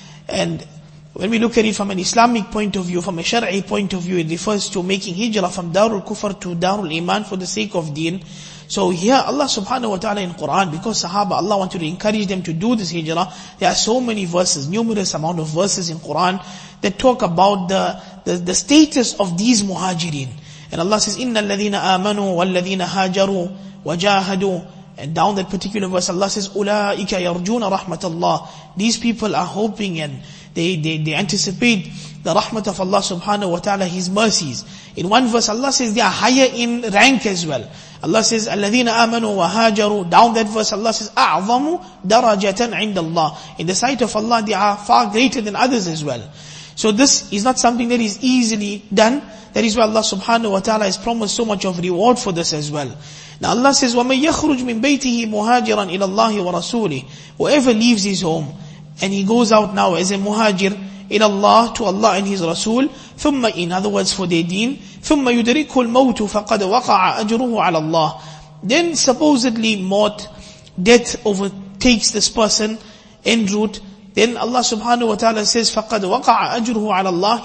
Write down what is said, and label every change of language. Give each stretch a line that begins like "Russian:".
English: And when we look at it from an Islamic point of view, from a Shari'i point of view, it refers to making hijrah from Darul Kufr to Darul Iman for the sake of deen. So here Allah subhanahu wa ta'ala in Quran, because Sahaba, Allah wanted to encourage them to do this hijrah, there are so many verses, numerous amount of verses in Quran that talk about the status of these muhajirin. And Allah says,
Arabic: إِنَّ الَّذِينَ آمَنُوا وَالَّذِينَ هَاجَرُوا وَجَاهَدُوا.
English: And down that particular verse, Allah says,
Arabic: أُولَٰئِكَ يَرْجُونَ رَحْمَةَ اللَّهِ.
English: These people are hoping and they anticipate the rahmat of Allah subhanahu wa ta'ala, His mercies. In one verse, Allah says they are higher in rank as well. Allah says,
Arabic: الَّذِينَ آمَنُوا وَهَاجَرُوا.
English: Down that verse, Allah says,
Arabic: أَعْظَمُ دَرَجَةً عِنْدَ اللَّهِ.
English: In the sight of Allah, they are far greater than others as well. So this is not something that is easily done. That is why Allah subhanahu wa ta'ala has promised so much of reward for this as well. Now Allah says,
Arabic: وَمَنْ يَخْرُجْ مِنْ بَيْتِهِ مُهَاجِرًا إِلَى اللَّهِ وَرَسُولِهِ.
English: Whoever leaves his home, and he goes out now as a muhajir,
Arabic: إِلَى اللَّهِ,
English: to Allah and His Rasul, ثُمَّ, in other words, for their deen,
Arabic: ثُمَّ يُدْرِكُ الْمَوْتُ فَقَدْ وَقَعَ أَجْرُهُ عَلَى اللَّهِ.
English: Then supposedly mort, death overtakes this person, en route, then Allah subhanahu wa ta'ala says,
Arabic: فَقَدْ وَقَعَ أَجْرُهُ عَلَى اللَّهِ.